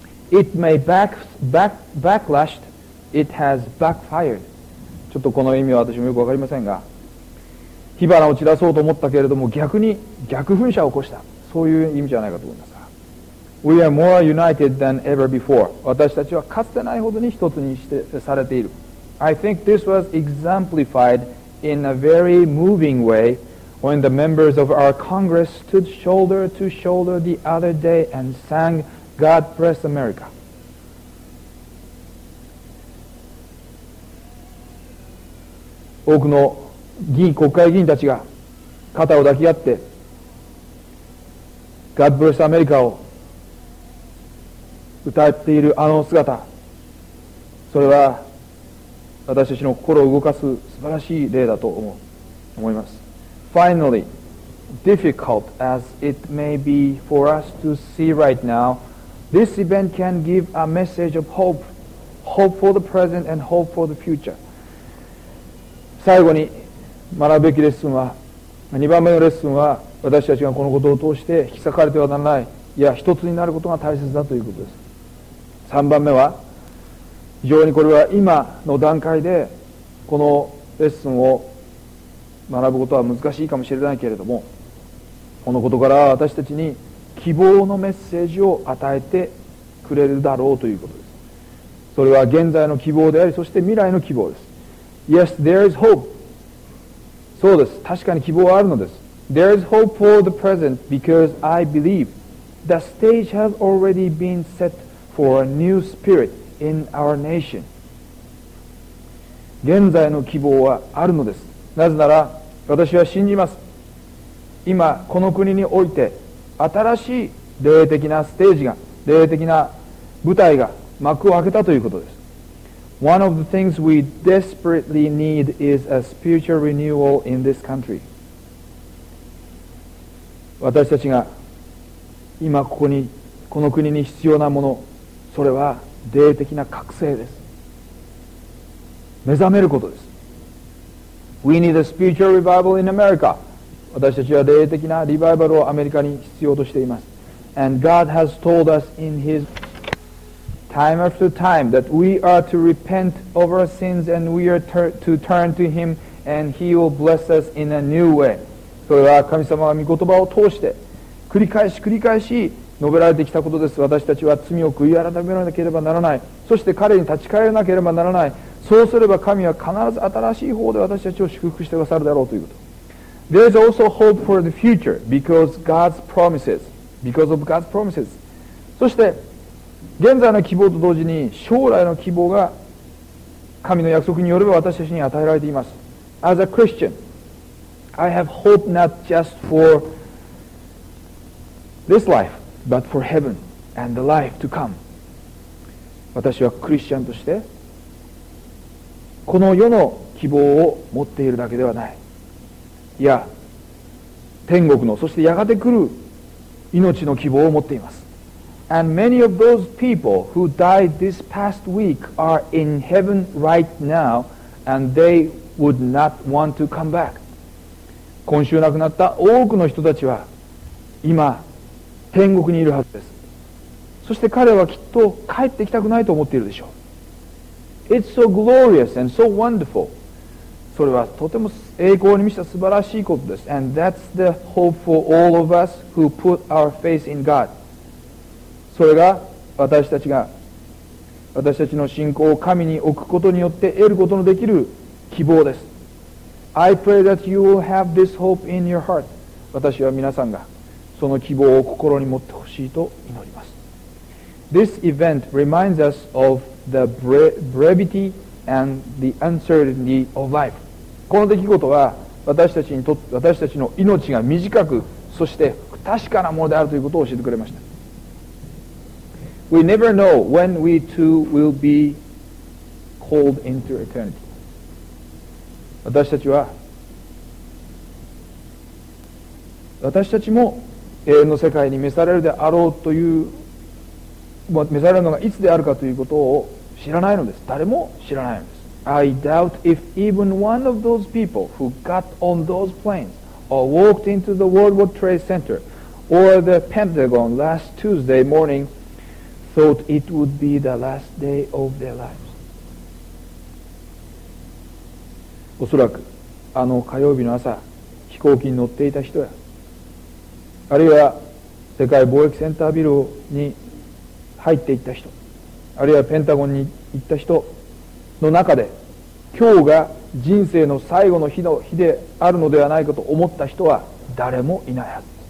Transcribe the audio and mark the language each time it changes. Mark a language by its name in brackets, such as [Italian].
[English] It may backlash, it has backfired. [Japanese] ちょっとこの意味は私もよくわかりませんが。火花を散らそうと思ったけれども逆噴射を起こした、そういう意味じゃないかと思います。 [English] We are more united than ever before. [Japanese] 私たちはかつてないほどに一つにしてされている。 [English] I think this was exemplified in a very moving way when the members of our Congress stood shoulder to shoulder the other day and sang God Bless America. [Japanese] 多くの国会議員たちが肩を抱き合って God Bless America を歌っているあの姿、それは私たちの心を動かす素晴らしい例だと思います。 [English] Finally, difficult as it may be for us to see right now, this event can give a message of hope, hope for the present and hope for the future. [Japanese] 最後に学ぶべきレッスンは、2番目のレッスンは、私たちがこのことを通して引き裂かれてはならない、いや一つになることが大切だということです。 3番目は、非常にこれは今の段階でこのレッスンを学ぶことは難しいかもしれないけれども、このことから私たちに希望のメッセージを与えてくれるだろうということです。それは現在の希望であり、そして未来の希望です。 [English] Yes, there is hope. [Japanese] そうです。確かに希望はあるのです。 [English] There is hope for the present because I believe the stage has already been set for a new spirit in our nation. [Japanese] 現在の希望はあるのです。なぜなら私は信じます。今この国において新しい霊的なステージが、霊的な舞台が幕を開けたということです。 [English] One of the things we desperately need is a spiritual renewal in this country. [Japanese] 私たちが今ここにこの国に必要なもの、それは霊的な覚醒です。目覚めることです。 [English] We need a spiritual revival in America. [Japanese] 私たちは霊的なリバイバルをアメリカに必要としています。 [English] And God has told us in His time after time that we are to repent of our sins and we are to turn to Him and He will bless us in a new way. [Japanese] それは神様が御言葉を通して繰り返し繰り返し述べられてきたことです。私たちは罪を悔い改めなければならない。そして彼に立ち返らなければならない。そうすれば神は必ず新しい方で私たちを祝福してくださるだろうということ。 [English] There is also hope for the future because God's promises. Because of God's promises. [Japanese] そして現在の希望と同時に将来の希望が神の約束によれば私たちに与えられています。 [English] As a Christian, I have hope not just for this life, but for heaven and the life to come. [Japanese] 私はクリスチャンとしてこの世の希望を持っているだけではない。いや、天国の、そしてやがて来る命の希望を持っています。 [English] And many of those people who died this past week are in heaven right now, and they would not want to come back. [Japanese] 今週亡くなった多くの人たちは今、天国にいるはずです。そして彼はきっと帰ってきたくないと思っているでしょう。 [English] It's so glorious and so wonderful. [Japanese] それはとても栄光に満ちた素晴らしいことです。 [English] And that's the hope for all of us who put our faith in God. [Japanese] それが私たちの信仰を神に置くことによって得ることのできる希望です。 [English] I pray that you will have this hope in your heart. [Japanese] 私は皆さんがその希望を心に持ってほしいと祈ります。 [English] This event reminds us of the brevity and the uncertainty of life. [Japanese] この出来事は私たちの命が短くそして確かなものであるということを教えてくれました。 [English] We never know when we too will be called into eternity. [Japanese] 私たちも永遠の世界に召されるであろうという、召されるのがいつであるかということを知らないのです。誰も知らないのです。 [English] I doubt if even one of those people who got on those planes or walked into the World Trade Center or the Pentagon last Tuesday morning thought it would be the last day of their lives. [Japanese] おそらく、あの火曜日の朝、飛行機に乗っていた人や、あるいは世界貿易センタービルに入っていった人、あるいはペンタゴンに行った人の中で今日が人生の最後の日であるのではないかと思った人は誰もいないはず。